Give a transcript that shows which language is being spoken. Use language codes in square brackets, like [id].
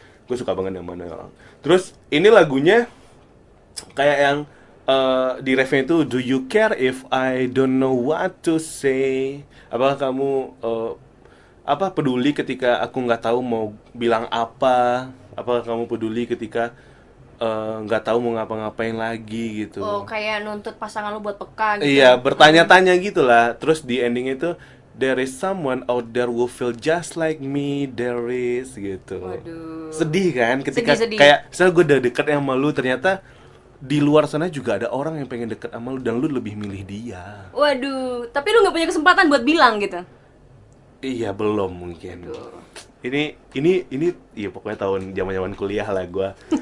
[id] Gue suka banget yang mana orang. Terus ini lagunya kayak yang di refnya itu, [en] do you care if I don't know what to say? [id] Apakah kamu peduli ketika aku enggak tahu mau bilang apa? Apakah kamu peduli ketika enggak tahu mau ngapa-ngapain lagi gitu. Oh, kayak nuntut pasangan lu buat peka gitu. Iya, bertanya-tanya gitulah. Terus di ending itu, [en] there is someone out there who feel just like me, there is [id] gitu. Waduh. Sedih kan ketika sedih. Kayak misalnya gue udah deket sama lu, ternyata di luar sana juga ada orang yang pengen deket sama lu dan lu lebih milih dia. Waduh, tapi lu enggak punya kesempatan buat bilang gitu. Iya, belum mungkin. Ini ya pokoknya tahun zaman-zaman kuliah lah gua.